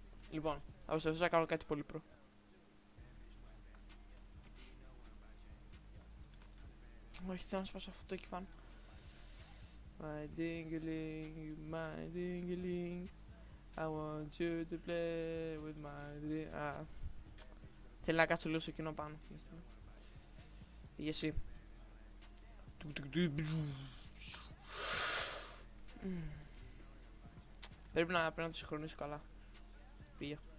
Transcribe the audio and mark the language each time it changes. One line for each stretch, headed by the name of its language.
Greek: Λοιπόν, θα προσπαθήσω να κάνω κάτι πολύ προ. Όχι, θέλω να σπάσω αυτό εκεί πάνω.
English: My dingling, my dingling. I want you to play with my dingling. Ah.
Greek: Θέλω να κάτσω λίγο στο κοινό πάνω. Για εσύ. Πρέπει να πρέπει να το συγχρονίσω καλά. Πήγε.